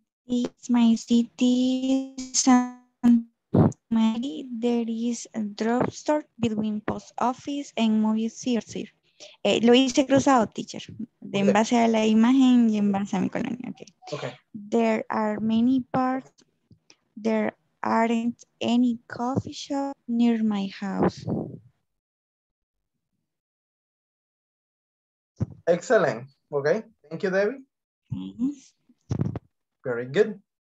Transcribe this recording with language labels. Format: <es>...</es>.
<en>It's my city, San Mary, there is a drugstore between post office and movie theater.</en> <es>Lo hice cruzado, teacher. De en base a la imagen y en base a mi colonia.</es> <en>Okay. Okay. There are many parks. There aren't any coffee shop near my house. Excellent. Okay. Thank you, Debbie. Mm-hmm. Very good.</en>